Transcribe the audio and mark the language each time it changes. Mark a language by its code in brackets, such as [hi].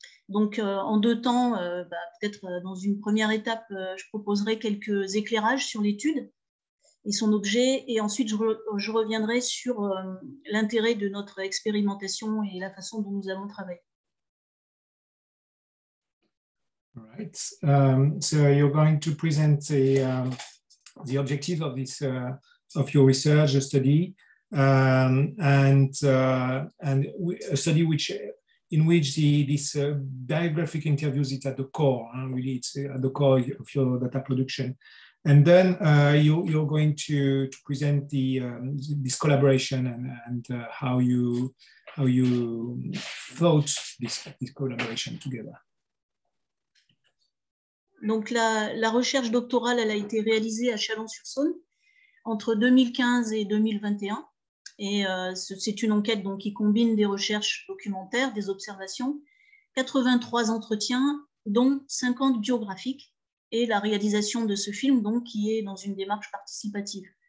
[fr] Donc, en deux temps, peut-être dans une première étape, je proposerai quelques éclairages sur l'étude et son objet, et ensuite je reviendrai sur l'intérêt de notre expérimentation et la façon dont nous allons travailler. [en] Right. So you're going to present the objective of this of your research, a study, a study in which this biographic interviews is at the core. Really, it's at the core of your data production. And then you're going to present the this collaboration and how you thought this collaboration together. [fr] Donc la recherche doctorale, elle a été réalisée à Chalon-sur-Saône entre 2015 et 2021. Et c'est une enquête donc, qui combine des recherches documentaires, des observations, 83 entretiens, dont 50 biographiques, et la réalisation de ce film donc, qui est dans une démarche participative.